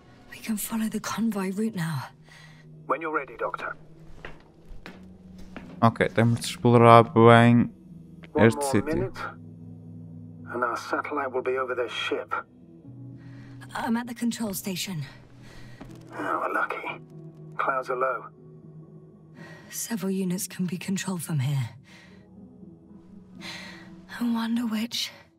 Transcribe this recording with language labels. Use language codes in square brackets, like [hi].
[en] We can follow the convoy route now. When you're ready, Doctor. [pt] Ok, temos de explorar bem este sítio. [en] And our satellite will be over their ship. I'm at the control station. Oh, we're lucky. Clouds are low. Several units can be controlled from here. I wonder which.